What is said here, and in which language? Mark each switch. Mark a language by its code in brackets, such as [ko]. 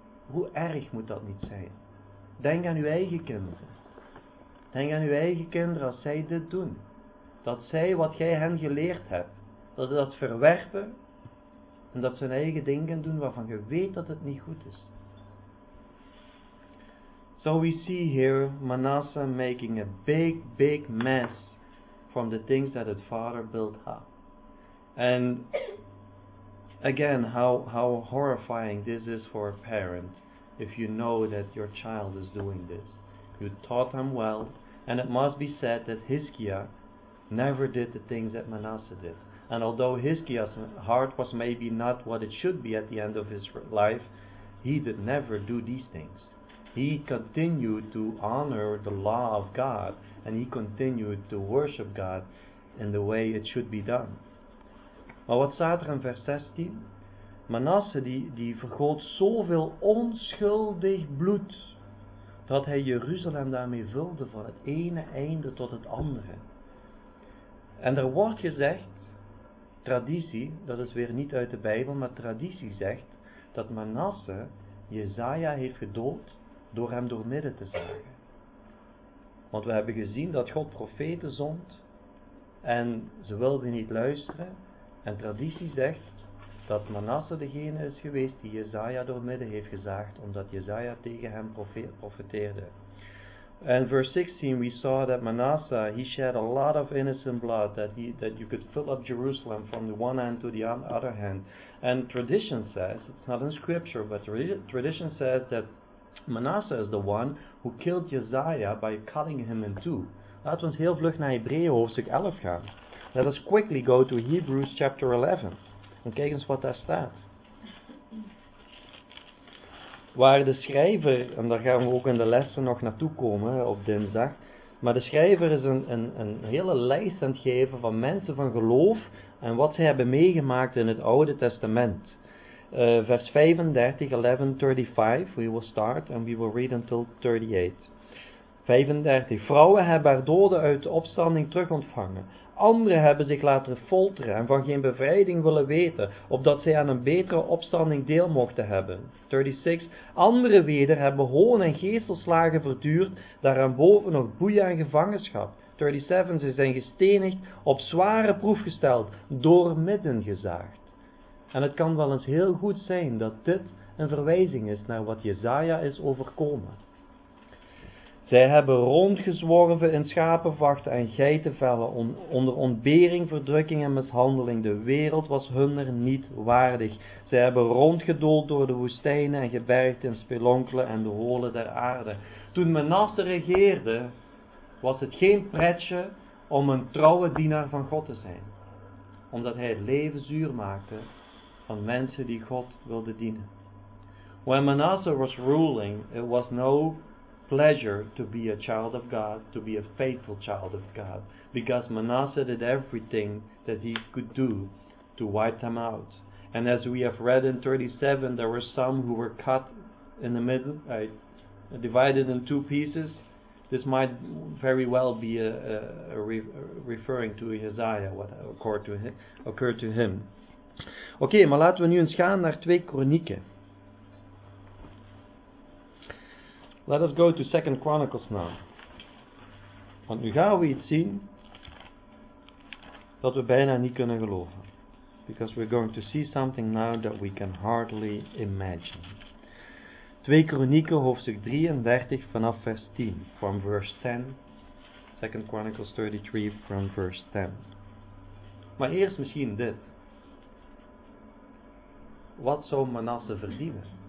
[nl] Hoe erg moet dat niet zijn? Denk aan uw eigen kinderen. Denk aan uw eigen kinderen als zij dit doen. Dat zij wat jij hen geleerd hebt, dat ze dat verwerpen en dat ze hun eigen dingen doen waarvan je weet dat het niet goed is. [en] So we see here Manasseh making a big, big mess from the things that his father built up. And again, how horrifying this is for a parent if you know that your child is doing this. You taught him well, and it must be said that Hiskia never did the things that Manasseh did. And although Hiskia's heart was maybe not what it should be at the end of his life, he did never do these things. He continued to honor the law of God, and he continued to worship God in the way it should be done. [nl] Maar wat staat er in vers 16? Manasse die vergoot zoveel onschuldig bloed, dat hij Jeruzalem daarmee vulde van het ene einde tot het andere. En er wordt gezegd, traditie, dat is weer niet uit de Bijbel, maar traditie zegt, dat Manasse Jesaja heeft gedood, door hem door midden te zagen. Want we hebben gezien dat God profeten zond en ze wilden niet luisteren. En traditie zegt dat Manasse degene is geweest die Jesaja door midden heeft gezaagd, omdat Jesaja tegen hem profeteerde. En vers 16, [en] we saw that Manasse, he shed a lot of innocent blood, that you could fill up Jerusalem from the one hand to the other hand. And tradition says, it's not in scripture, but tradition says that Manasse is the one who killed Jesaja by cutting him in two. [nl] Laten we eens heel vlug naar Hebreeën hoofdstuk 11 gaan. [en] Let us quickly go to Hebrews chapter 11. [nl] En kijk eens wat daar staat. Waar de schrijver, en daar gaan we ook in de lessen nog naartoe komen op dinsdag. Maar de schrijver is een hele lijst aan het geven van mensen van geloof en wat ze hebben meegemaakt in het Oude Testament. Vers 35, [en] 11, 35, we will start and we will read until 38. [nl] 35, vrouwen hebben haar doden uit de opstanding terug ontvangen. Anderen hebben zich laten folteren en van geen bevrijding willen weten, opdat zij aan een betere opstanding deel mochten hebben. 36, anderen weder hebben hoon en geestelslagen verduurd, daaraan boven nog boeien en gevangenschap. 37, ze zijn gestenigd, op zware proef gesteld, door midden gezaagd. En het kan wel eens heel goed zijn dat dit een verwijzing is naar wat Jesaja is overkomen. Zij hebben rondgezworven in schapenvachten en geitenvellen, onder ontbering, verdrukking en mishandeling. De wereld was hun er niet waardig. Zij hebben rondgedoold door de woestijnen en gebergten in spelonkelen en de holen der aarde. Toen Manasse regeerde, was het geen pretje om een trouwe dienaar van God te zijn. Omdat hij het leven zuur maakte van mensen die God wilden dienen. [en] When Manasse was ruling, it was no pleasure to be a child of God, to be a faithful child of God, because Manasseh did everything that he could do to wipe them out. And as we have read in 37, there were some who were cut in the middle, divided in two pieces. This might very well be referring to Isaiah, what occurred to him. [nl] Okay, maar laten we nu eens gaan naar 2 Kronieken. [en] Let us go to 2 Chronicles now. [nl] Want nu gaan we iets zien dat we bijna niet kunnen geloven. [en] Because we're going to see something now that we can hardly imagine. [nl] 2 Kronieken hoofdstuk 33 vanaf vers 10, [en] from verse 10. 2 Chronicles 33 from verse 10. [nl] Maar eerst misschien dit. Wat zou Manasse verdienen?